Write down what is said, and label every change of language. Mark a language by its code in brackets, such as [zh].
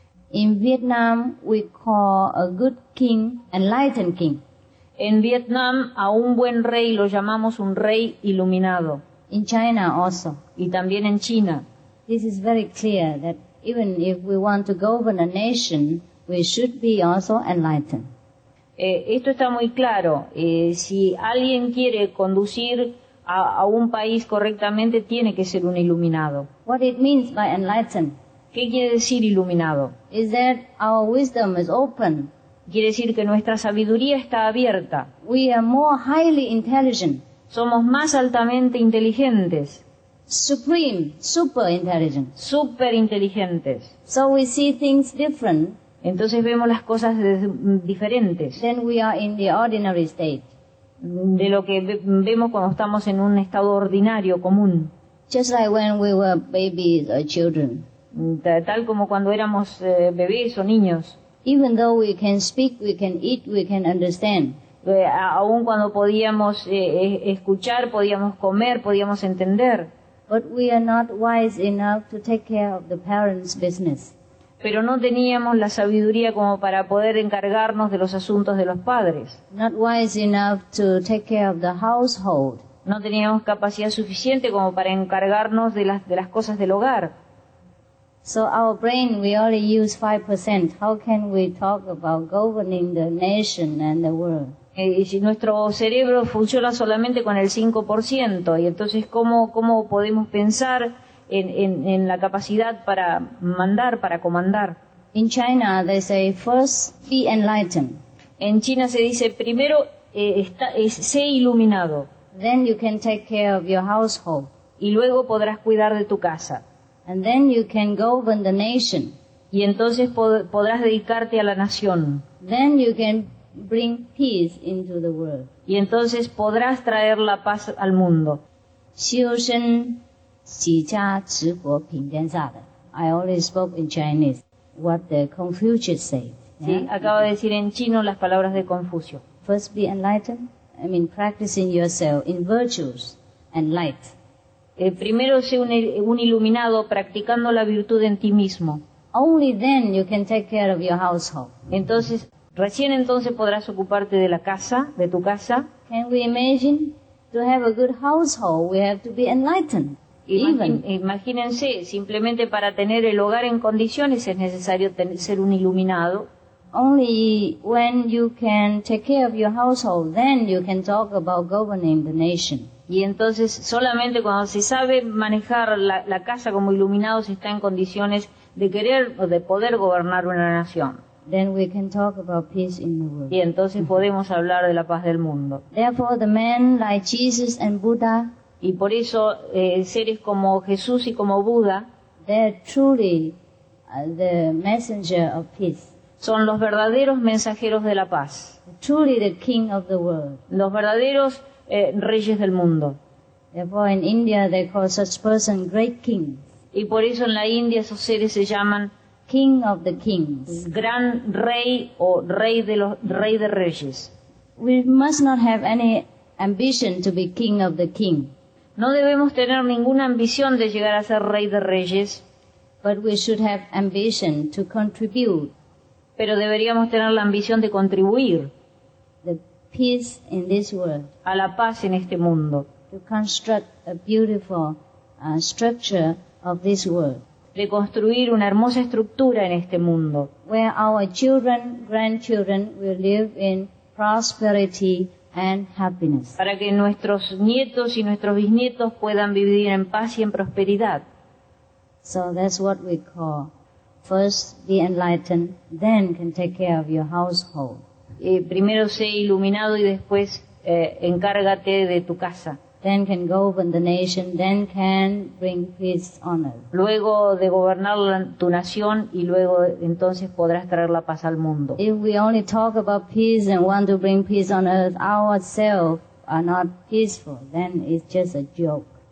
[en] In Vietnam, we call a good king enlightened king. [es] En Vietnam, a un buen rey lo llamamos un rey iluminado. [en] In China also. [es] Y también en China. [en] This is very clear that even if we want to govern a nation, we should be also enlightened. [es] Esto está muy claro. Si alguien quiere conducir a un país correctamente, tiene que ser un iluminado. [en] What it means by enlightened? [es] ¿Qué quiere decir iluminado? [en] Is that our wisdom is open. [es] Quiere decir que nuestra sabiduría está abierta. [en] We are more highly intelligent. [es] Somos más altamente inteligentes. [en] Supreme, super intelligent. [es] Super inteligentes. [en] So we see things different. [es] Entonces vemos las cosas diferentes. [en] Then we are in the ordinary state. [es] De lo que vemos cuando estamos en un estado ordinario, común. [en] Just like when we were babies or children. [es] tal como cuando éramos bebés o niños. [en] Even though we can speak, we can eat, we can understand. [es] Aun cuando podíamos escuchar, podíamos comer, podíamos entender. [en] But we are not wise enough to take care of the parents' business. [es] Pero no teníamos la sabiduría como para poder encargarnos de los asuntos de los padres. [en] Not wise enough to take care of the household. [es] No teníamos capacidad suficiente como para encargarnos de las cosas del hogar. [en] So our brain, we only use 5%. How can we talk about governing the nation and the world? [es] Y si nuestro cerebro funciona solamente con el 5%, y entonces cómo podemos pensar en la capacidad para mandar, para comandar? [en] In China, they say, first be enlightened. [es] En China se dice, primero sé iluminado. [en] Then you can take care of your household. [es] Y luego podrás cuidar de tu casa. [en] And then you can govern the nation. [es] Y entonces podrás dedicarte a la nación. [en] Then you can bring peace into the world. [es] Y entonces podrás traer la paz al mundo. [en] I only spoke in Chinese what the Confucius said. [es] Sí, yeah? Acabo de decir en chino las palabras de Confucio. [en] First be enlightened. I mean practicing yourself in virtues and light. [es] Primero sé un iluminado practicando la virtud en ti mismo. [en] Only then you can take care of your household. [es] Entonces, recién entonces podrás ocuparte de la casa, de tu casa. [en] Can we imagine to have a good household? We have to be enlightened. [es] Imagínense, simplemente para tener el hogar en condiciones es necesario ser un iluminado. [en] Only when you can take care of your household, then you can talk about governing the nation. [es] Y entonces, solamente cuando se sabe manejar la casa como iluminado, se está en condiciones de querer o de poder gobernar una nación. [en] Then we can talk about peace in the world. [es] Y entonces podemos hablar de la paz del mundo. [en] Therefore, the men like Jesus and Buddha, [es] y por eso seres como Jesús y como Buda, [en] they're truly the messenger of peace. [es] Son los verdaderos mensajeros de la paz. [en] Truly the king of the world. [es] Los verdaderos reyes del mundo. [en] Therefore, in India, they call such person great kings. [es] Y por eso en la India esos seres se llaman [en] King of the Kings, [es] gran rey o rey de reyes. [en] We must not have any ambition to be king of the king. [es] No debemos tener ninguna ambición de llegar a ser rey de reyes. [en] But we should have ambition to contribute. [es] Pero deberíamos tener la ambición de contribuir. [en] The peace in this world. [es] A la paz en este mundo. [en] To construct a beautiful structure of this world. [es] De construir una hermosa estructura en este mundo. [en] Where our children, grandchildren will live in prosperity and happiness. [es] Para que nuestros nietos y nuestros bisnietos puedan vivir en paz y en prosperidad. [en] So that's what we call first be enlightened, then can take care of your household. [es] Primero sé iluminado y después encárgate de tu casa. [en] Then can govern the nation, then can bring peace on earth. [es] Luego de gobernar tu nación y luego entonces podrás traer la paz al mundo. [en] If we only talk about peace and want to bring peace on earth, ourselves are not peaceful, then it's just a joke.